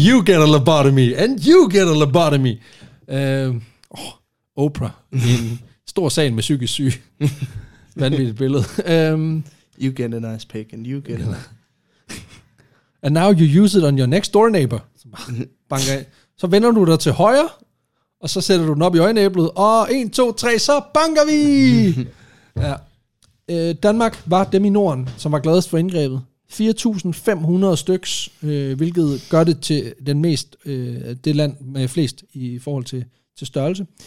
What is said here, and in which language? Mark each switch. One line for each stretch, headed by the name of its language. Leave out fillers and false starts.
English: You get a lobotomy, and you get a lobotomy.
Danish: Oprah, en stor sag med psykisk syge. Vanvittigt billede.
English: You get a nice pick, and you get a... and now you use it on your next door neighbor.
Danish: Så vender du dig til højre, og så sætter du den op i øjenæblet, og 1, 2, 3, så banker vi! Ja. Danmark var dem i Norden, som var gladest for indgrebet. 4.500 styks, hvilket gør det til den mest, det land med flest i forhold til størrelse.